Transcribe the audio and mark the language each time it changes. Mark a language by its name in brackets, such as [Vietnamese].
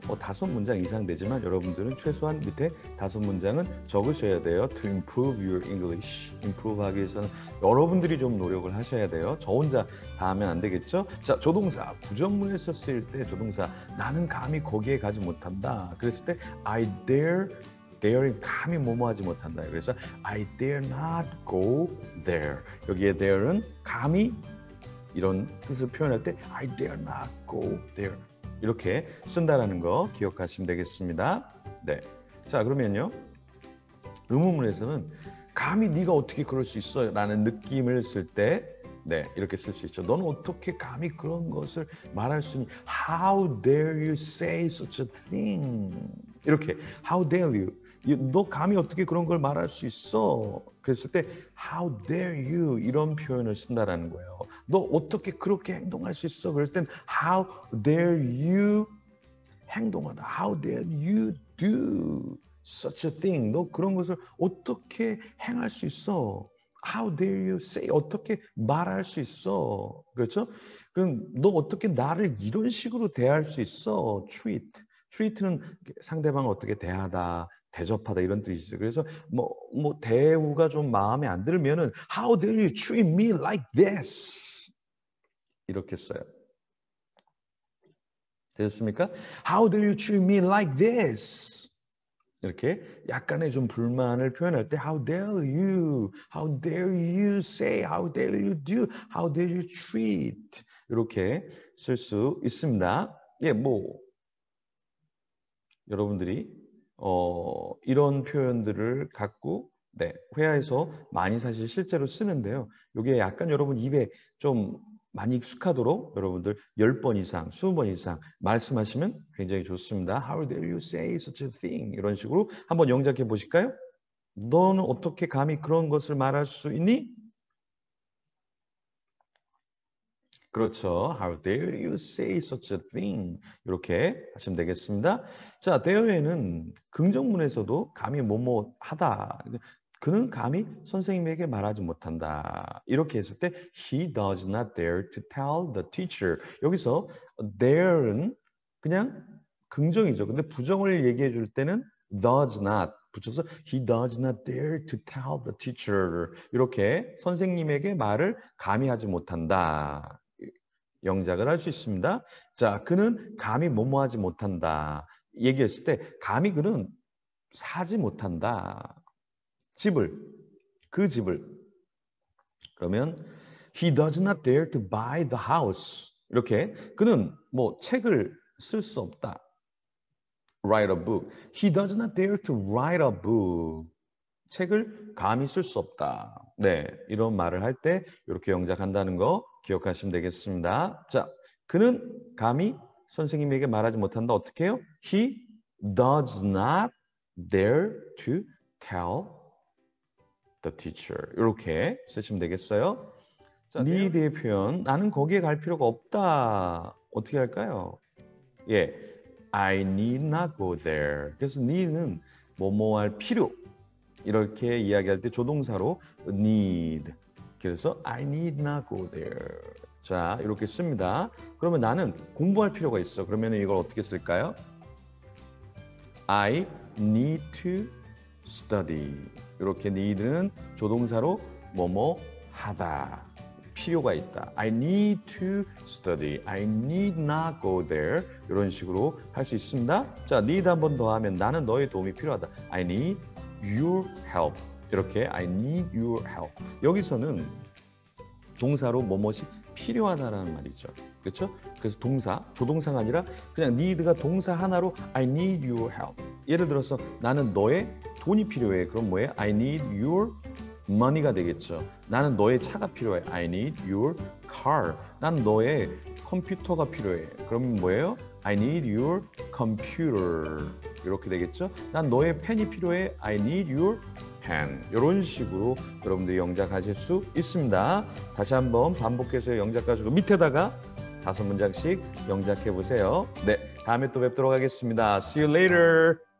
[Korean] 뭐 다섯 문장 이상 되지만 여러분들은 최소한 밑에 다섯 문장은 적으셔야 돼요. [English] To improve your English. [Korean] Improve 하기 위해서는 여러분들이 좀 노력을 하셔야 돼요. 저 혼자 다 하면 안 되겠죠? 자, 조동사. 부정문에서 쓰일 때 조동사. 나는 감히 거기에 가지 못한다. 그랬을 때 [English] I dare daring [Korean] 감히 뭐뭐하지 못한다. [English] 그래서 I dare not go there. [Korean] 여기에 dare은 감히 이런 뜻을 표현할 때 [English] I dare not go there [Korean] 이렇게 쓴다라는 거 기억하시면 되겠습니다. 네. 자, 그러면요. 의문문에서는 감히 네가 어떻게 그럴 수 있어? 라는 느낌을 쓸 때 네, 이렇게 쓸 수 있죠. 너는 어떻게 감히 그런 것을 말할 수 있니? [English] How dare you say such a thing? 이렇게 How dare you? [Korean] 너 감히 어떻게 그런 걸 말할 수 있어? [English] 그랬을 때 How dare you? [Korean] 이런 표현을 쓴다라는 거예요. 너 어떻게 그렇게 행동할 수 있어? 그럴 땐 [English] How dare you [Korean] 행동하다. [English] How dare you do such a thing? [Korean] 너 그런 것을 어떻게 행할 수 있어? [English] How dare you say? [Korean] 어떻게 말할 수 있어? 그렇죠? 그럼 너 어떻게 나를 이런 식으로 대할 수 있어? [English] Treat. [Korean] Treat는 상대방을 어떻게 대하다. 대접하다 이런 뜻이죠. 그래서 뭐 대우가 좀 마음에 안 들면은 [English] How dare you treat me like this? [Korean] 이렇게 써요. 됐습니까? [English] How dare you treat me like this? [Korean] 이렇게 약간의 좀 불만을 표현할 때 [English] How dare you? How dare you say? How dare you do? How dare you treat? [Korean] 이렇게 쓸 수 있습니다. 예, 뭐 여러분들이 이런 표현들을 갖고 네, 회화에서 많이 사실 실제로 쓰는데요. 이게 약간 여러분 입에 좀 많이 익숙하도록 여러분들 10번 이상, 20번 이상 말씀하시면 굉장히 좋습니다. [English] How dare you say such a thing? [Korean] 이런 식으로 한번 영작해 보실까요? 너는 어떻게 감히 그런 것을 말할 수 있니? 그렇죠. [English] How dare you say such a thing? [Korean] 이렇게 하시면 되겠습니다. 자, dare에는 긍정문에서도 감히 뭐뭐 하다. 그는 감히 선생님에게 말하지 못한다. 이렇게 했을 때 [English] He does not dare to tell the teacher. [Korean] 여기서 dare은 그냥 긍정이죠. 근데 부정을 얘기해 줄 때는 does not 붙여서 [English] He does not dare to tell the teacher. [Korean] 이렇게 선생님에게 말을 감히 하지 못한다. 영작을 할 수 있습니다. 자, 그는 감히 뭐뭐하지 못한다. 얘기했을 때 감히 그는 사지 못한다. 집을, 그 집을. 그러면 [English] He does not dare to buy the house. [Korean] 이렇게 그는 뭐 책을 쓸 수 없다. [English] Write a book. He does not dare to write a book. [Korean] 책을 감히 쓸 수 없다. 네, 이런 말을 할 때 이렇게 영작한다는 거 기억하시면 되겠습니다. 자, 그는 감히 선생님에게 말하지 못한다. 어떻게 해요? [English] He does not dare to tell the teacher. [Korean] 이렇게 쓰시면 되겠어요. 자, need의 표현. 나는 거기에 갈 필요가 없다. 어떻게 할까요? 예, [English] I need not go there. [Korean] 그래서 need는 뭐뭐 할 필요. 이렇게 이야기할 때 조동사로 need. 그래서 [English] I need not go there. [Korean] 자, 이렇게 씁니다. 그러면 나는 공부할 필요가 있어. 그러면 이걸 어떻게 쓸까요? [English] I need to study. [Korean] 이렇게 need는 조동사로 뭐뭐 하다. 필요가 있다. [English] I need to study. I need not go there. [Korean] 이런 식으로 할 수 있습니다. 자, need 한 번 더 하면 나는 너의 도움이 필요하다. [English] I need your help. [Korean] 이렇게 [English] I need your help. [Korean] 여기서는 동사로 뭐뭐이 필요하다라는 말이죠. 그렇죠? 그래서 동사, 조동사가 아니라 그냥 need가 동사 하나로 [English] I need your help. [Korean] 예를 들어서 나는 너의 돈이 필요해. 그럼 뭐예요? [English] I need your money가 [Korean] 되겠죠. 나는 너의 차가 필요해. [English] I need your car. [Korean] 난 너의 컴퓨터가 필요해. 그럼 뭐예요? [English] I need your computer. [Korean] 이렇게 되겠죠? 난 너의 펜이 필요해. [English] I need your pen. [Korean] 이런 식으로 여러분들이 영작하실 수 있습니다. 다시 한번 반복해서 영작가지고 밑에다가 다섯 문장씩 영작해 보세요. 네, 다음에 또 뵙도록 하겠습니다. [English] See you later.